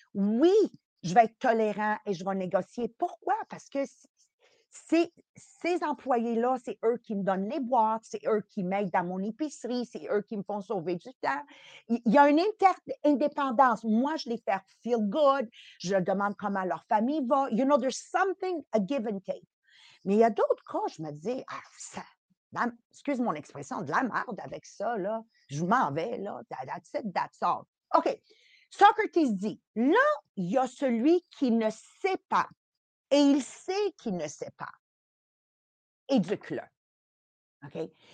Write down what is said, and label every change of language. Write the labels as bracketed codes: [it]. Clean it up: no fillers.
[fr] Oui, je vais être tolérant et je vais négocier. Pourquoi? Parce que c'est ces employés-là, c'est eux qui me donnent les boîtes, c'est eux qui m'aident dans mon épicerie, c'est eux qui me font sauver du temps. Il y a une interdépendance. Moi, je les fais [en] feel good, [fr] je demande comment leur famille va. [en] You know, there's something, a give and take. [fr] Mais il y a d'autres cas, je me dis, ah, ça... excuse mon expression, de la merde avec ça, là. Je m'en vais, là. [en] That's it, that's all. [fr] OK. Socrates dit, là, il y a celui qui ne sait pas et il sait qu'il ne sait pas. Éduque-le. OK?